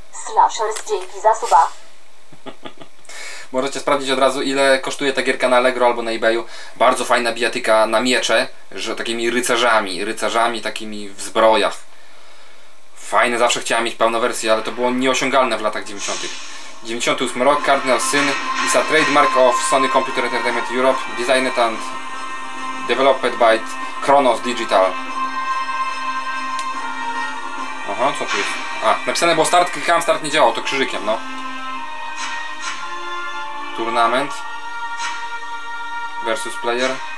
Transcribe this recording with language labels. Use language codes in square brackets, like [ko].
[pl] Slashers, dzięki za suba. Możecie sprawdzić od razu, ile kosztuje ta gierka na Allegro albo na eBayu. Bardzo fajna bijatyka na miecze, że takimi rycerzami takimi w zbrojach. Fajne, zawsze chciałem mieć pełną wersję, ale to było nieosiągalne w latach 90. 98 rok, [en] Cardinal Sin is a trademark of Sony Computer Entertainment Europe, designed and developed by Kronos Digital. [pl] Aha, co tu jest? A, napisane było start, klikałem, start nie działał, to krzyżykiem, no. [en] Tournament versus player.